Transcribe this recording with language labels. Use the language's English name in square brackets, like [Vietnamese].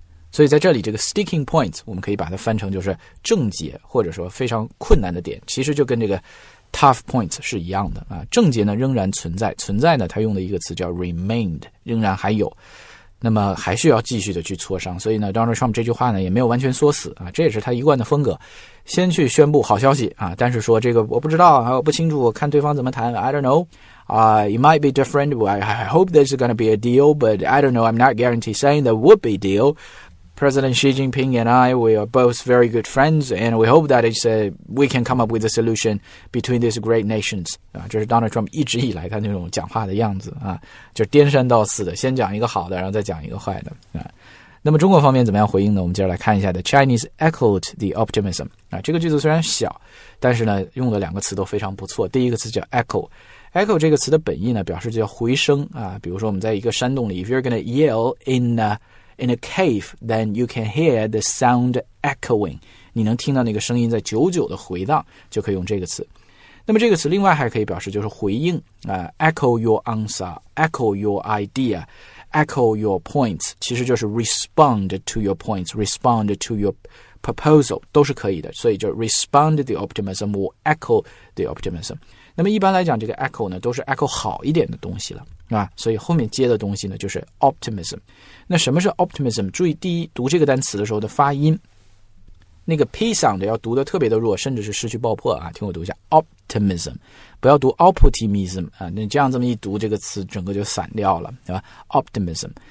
[Chinese] 所以在这里这个 sticking points 我们可以把它翻成就是症结，或者说非常困难的点，其实就跟这个Tough points 是一样的症结呢仍然存在，存在呢它用的一个词叫 remained， 仍然还有，那么还需要继续的去磋商。所以呢 Donald Trump 这句话呢也没有完全说死这也是他一贯的风格，先去宣布好消息但是说这个我不知道我不清楚，我看对方怎么谈， [English] I don't know it might be different， I hope there's gonna be a deal， but I don't know， I'm not guaranteed saying there would be a dealPresident Xi Jinping and I, we are both very good friends, and we hope that it's, we can come up with a solution between these great nations. [Chinese] 这是 Donald Trump 一直以来他那种讲话的样子就颠三倒四的，先讲一个好的，然后再讲一个坏的那么中国方面怎么样回应呢？我们接着来看一下 [English] The Chinese echoed the optimism. [Chinese] 这个句子虽然小，但是呢，用的两个词都非常不错。第一个词叫 echo。 Echo 这个词的本意呢，表示叫回声比如说我们在一个山洞里 [English] ，If you're gonna yell in a cave, then you can hear the sound echoing. [Chinese] 你能听到那个声音在久久的回荡，就可以用这个词。那么这个词另外还可以表示就是回应 [English] echo your answer, echo your idea, echo your points, [Chinese] 其实就是 [English] respond to your points, respond to your proposal, [Chinese] 都是可以的。所以就 [English] respond the optimism or echo the optimism。 [Chinese] 那么一般来讲这个 echo 呢都是 echo 好一点的东西了。所以后面接的东西呢就是 optimism。那什么是 optimism？ 注意第一读这个单词的时候的发音，那个 p sound 要读的特别的弱，甚至是失去爆破听我读一下 optimism， 不要读 optimism 那这样这么一读这个词整个就散掉了，对吧？optimism。